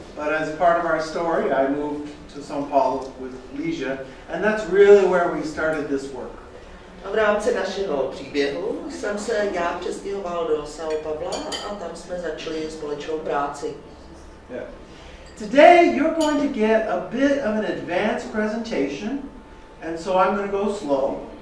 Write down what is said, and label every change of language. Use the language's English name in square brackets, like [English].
[English] But as part of our story, I moved to São Paulo with Ligia, and that's really where we started this work. [Czech] A v rámci našeho příběhu jsem se já přestěhoval do São Paulo a tam jsme začali společnou práci. [English] Yeah. Today you're going to get a bit of an advanced presentation, and so I'm going to go slow.